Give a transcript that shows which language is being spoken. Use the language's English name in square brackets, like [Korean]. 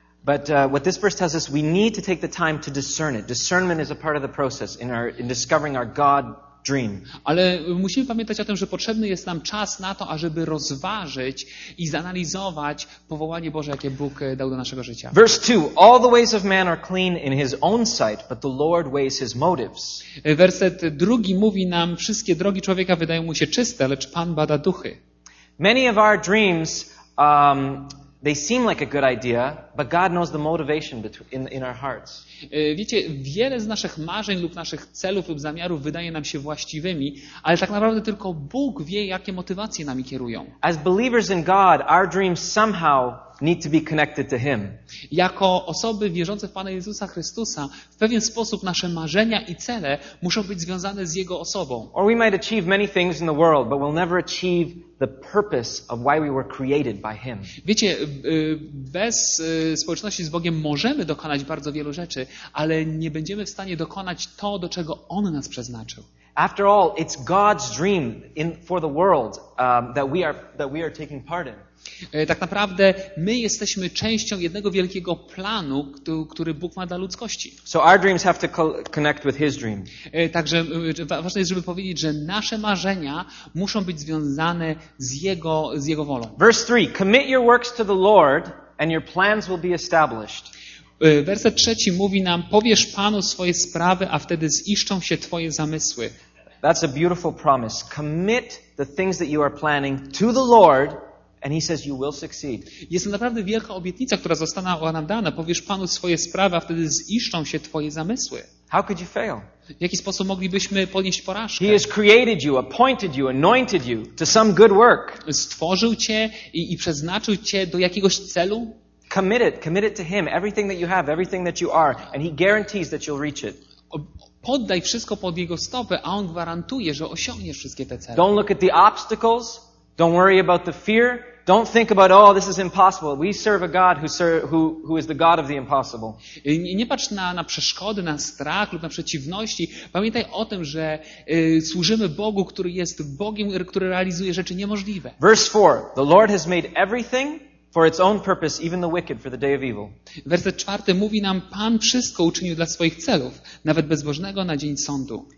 [English] But what this verse tells us, we need to take the time to discern it. Discernment is a part of the process in discovering our God dream. [Polish] Ale musimy pamiętać o tym, że potrzebny jest nam czas na to, ażeby rozważyć i zanalizować powołanie Boże, jakie Bóg dał do naszego życia. [English] Verse 2. All the ways of man are clean in his own sight, but the Lord weighs his motives. [Polish] Werset 2 mówi nam, wszystkie drogi człowieka wydają mu się czyste, lecz Pan bada duchy. [English] Many of our dreams they seem like a good idea, but God knows the motivation in our hearts. [Polish] Wiecie, wiele z naszych marzeń lub naszych celów lub zamiarów wydaje nam się właściwymi, ale tak naprawdę tylko Bóg wie, jakie motywacje nami kierują. [English] As believers in God, our dreams somehow need to be connected to him. [Polish] Jako osoby wierzące w Pana Jezusa Chrystusa, w pewien sposób nasze marzenia i cele muszą być związane z jego osobą. [English] Or we might achieve many things in the world, but we'll never achieve the purpose of why we were created by him. [Polish] Wiecie, bez społeczności z Bogiem możemy dokonać bardzo wielu rzeczy, ale nie będziemy w stanie dokonać to, do czego on nas przeznaczył. [English] After all, it's God's dream for the world that we are taking part in. [Polish] Tak naprawdę my jesteśmy częścią jednego wielkiego planu, który Bóg ma dla ludzkości. [English] So our dreams have to connect with his dream. [Polish] Także ważne jest, żeby powiedzieć, że nasze marzenia muszą być związane z jego wolą. [English] Verse 3. Commit your works to the Lord and your plans will be established. [Polish] Werset 3 mówi nam, powierz Panu swoje sprawy, a wtedy ziszczą się twoje zamysły. [English] That's a beautiful promise. Commit the things that you are planning to the Lord. And he says you will succeed. [Polish] Jest to naprawdę wielka obietnica, która została nam dana. Powiesz Panu swoje sprawy, a wtedy ziszczą się twoje zamysły. [English] How could you fail? [Polish] W jaki sposób moglibyśmy ponieść porażkę? [English] He has created you, appointed you, anointed you to some good work. [Polish] Stworzył cię i przeznaczył cię do jakiegoś celu. [English] Commit it to him, everything that you have, everything that you are, and he guarantees that you'll reach it. [Polish] Poddaj wszystko pod jego stopę, a on gwarantuje, że osiągniesz wszystkie te cele. [English] Don't look at the obstacles. Don't worry about the fear. Don't think about, oh, this is impossible. We serve a God who is the God of the impossible. [Polish] Nie patrz na przeszkody, na strach lub na przeciwności. Pamiętaj o tym, że służymy Bogu, który jest Bogiem, który realizuje rzeczy niemożliwe. [English] Verse 4. The Lord has made everything For its own purpose, even the wicked, for the day of evil. [Polish] Werset 4 mówi nam, Pan wszystko uczynił dla swoich celów, nawet bezbożnego na dzień sądu.